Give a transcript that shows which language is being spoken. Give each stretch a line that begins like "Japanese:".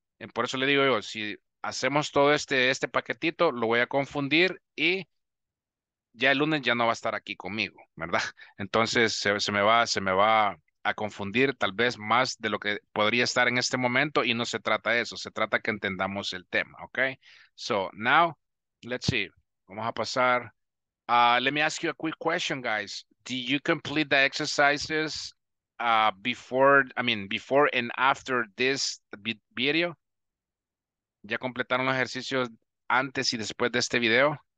Spanish: Y por eso le digo yo, si hacemos todo este paquetito, lo voy a confundir y ya el lunes ya no va a estar aquí conmigo, ¿verdad? Entonces se me va a confundir tal vez más de lo que podría estar en este momento y no se trata de eso, se trata que entendamos el tema, ¿ok?
English: So, now, let's see,
Spanish: vamos a pasar.
English: Let me ask you a quick question, guys. Do you complete the exercises before and after this video?
Spanish: ¿Ya completaron los ejercicios antes y después de este video?